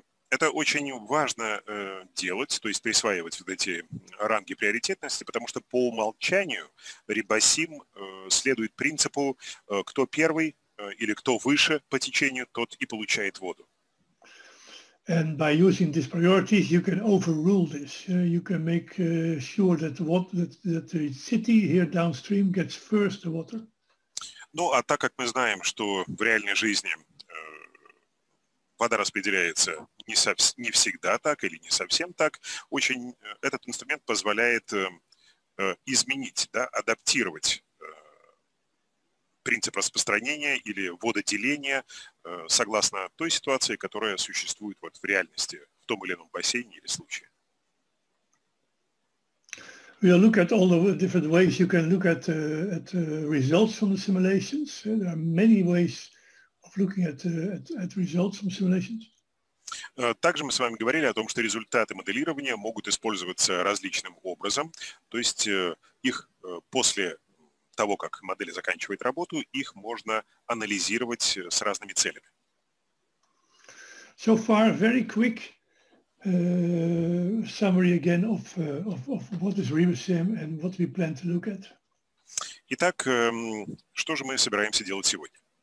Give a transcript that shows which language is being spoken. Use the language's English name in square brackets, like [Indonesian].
[Russian] Это очень важно делать, то есть присваивать вот эти ранги приоритетности, потому что по умолчанию Рибосим следует принципу, кто первый или кто выше по течению, тот и получает воду. [English] And by using these priorities, you can overrule this. You can make sure that that the city here downstream gets first the water. [Russian] Ну, а так как мы знаем, что в реальной жизни вода распределяется не всегда так или не совсем так, очень этот инструмент позволяет изменить, да, адаптировать принцип распространения или вододеления согласно той ситуации, которая существует вот в реальности в том или ином бассейне или случае. [English] We'll look at all the different ways you can look at results from the simulations. There are many ways of looking at results from simulations. [Russian] Также мы с вами говорили о том, что результаты моделирования могут использоваться различным образом. То есть их после того, как модель заканчивает работу, их можно анализировать с разными целями. [English] So far, very quick summary again of what is Riemsim and what we plan to look at. [Russian] Итак, что же мы собираемся делать сегодня?